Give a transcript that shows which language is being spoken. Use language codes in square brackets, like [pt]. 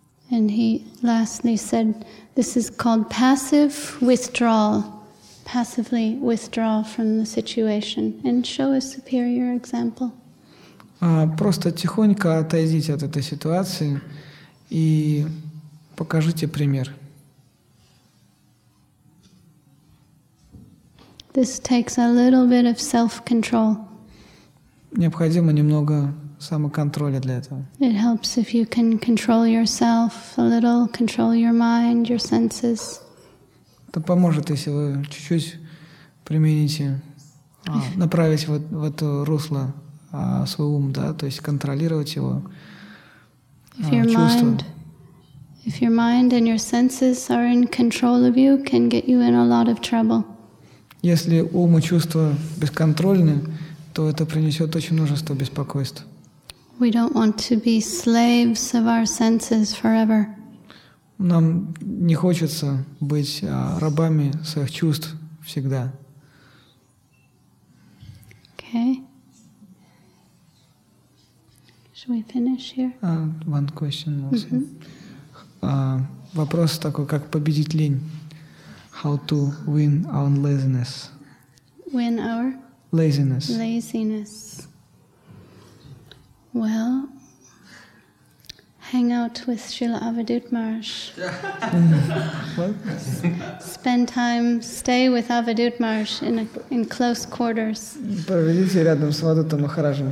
[en] And he lastly said, this is called passive withdrawal. Passively withdraw from the situation and show a superior example. [ru] Просто тихонько отойдите от этой ситуации и покажите пример. [en] This takes a little bit of self-control. [ru] Необходимо немного самоконтроля для этого. [en] It helps if you can control yourself a little, control your mind, your senses. [ru] Это поможет, если вы чуть-чуть примените, направить в это русло свой ум, да, то есть контролировать его, [en] if your [ru] чувства. [en] Mind, if your mind and your senses are in control of you, can get you in a lot of trouble. [ru] Если ум и чувства бесконтрольны, то это принесет очень множество беспокойств. [en] We don't want to be slaves of our senses forever. [ru] Нам не хочется быть рабами своих чувств всегда. [en] Okay. Should we finish here? One question. Mm-hmm. [ru] Вопрос такой, как победить лень? [en] How to win our laziness? Win our? Laziness. Laziness. Well... Hang out with Srila Avadhut Maharaj. Spend time, stay with Avadhut Maharaj in close quarters. [ru] Проведите рядом с Авадхутом Махараджем.